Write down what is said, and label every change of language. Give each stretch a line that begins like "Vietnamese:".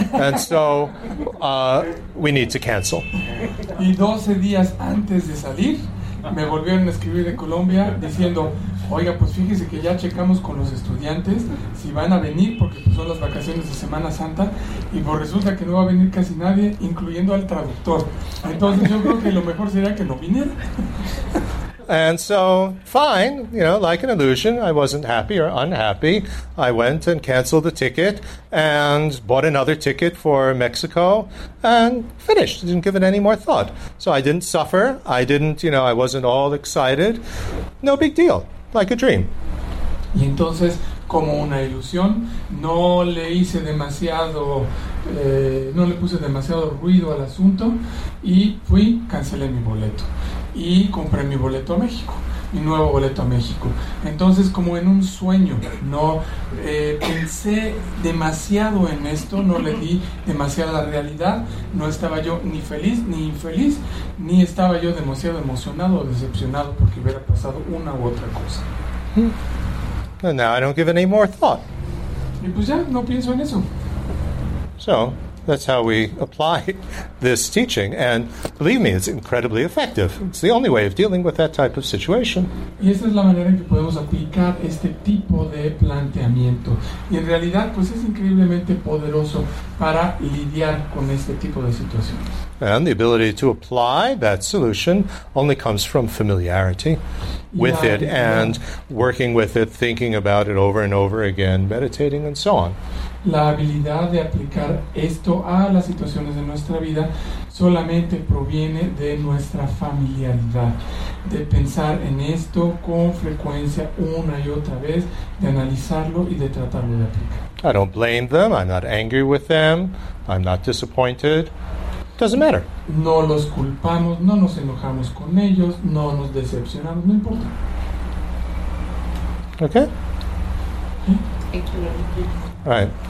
English: And so, we need to cancel.
Spanish: Y 12 días antes de salir, me volvieron a escribir de Colombia diciendo, oiga, pues fíjese que ya checamos con los estudiantes si van a venir, porque pues son las vacaciones de Semana Santa, y pues resulta que no va a venir casi nadie, incluyendo al traductor. Entonces yo creo que lo mejor sería que no viniera.
English: And so, fine, you know, like an illusion, I wasn't happy or unhappy. I went and canceled the ticket and bought another ticket for Mexico and finished. Didn't give it any more thought. So I didn't suffer. I didn't, you know, I wasn't all excited. No big deal. Like a dream.
Spanish: Y entonces, como una ilusión, no le hice demasiado, no le puse demasiado ruido al asunto y fui, cancelé mi boleto. Y compré mi boleto a México, mi nuevo boleto a México. Entonces, como en un sueño, no pensé demasiado en esto, no le di demasiada realidad, no estaba yo ni feliz ni infeliz, ni estaba yo demasiado emocionado o decepcionado porque hubiera pasado una u otra cosa.
English: And now I don't give any more thought.
Spanish: Y pues ya, no pienso en eso.
English: So, that's how we apply this teaching. And believe me, it's incredibly effective. It's the only way of dealing with that type of situation.
Spanish: Y esa es la manera en que podemos aplicar este tipo de planteamiento. Y en realidad, pues es increíblemente poderoso para lidiar con este tipo de situaciones.
English: And the ability to apply that solution only comes from familiarity with it and working with it, thinking about it over and over again, meditating and so on.
Spanish: La habilidad de aplicar esto a las situaciones de nuestra vida solamente proviene de nuestra familiaridad, de pensar en esto con frecuencia una y otra vez, de analizarlo y de tratarlo de aplicar.
English: I don't blame them, I'm not angry with them, I'm not disappointed. Doesn't matter.
Spanish: No los culpamos, no nos enojamos con ellos, no nos decepcionamos, no importa.
English: Okay. ¿Eh? All right.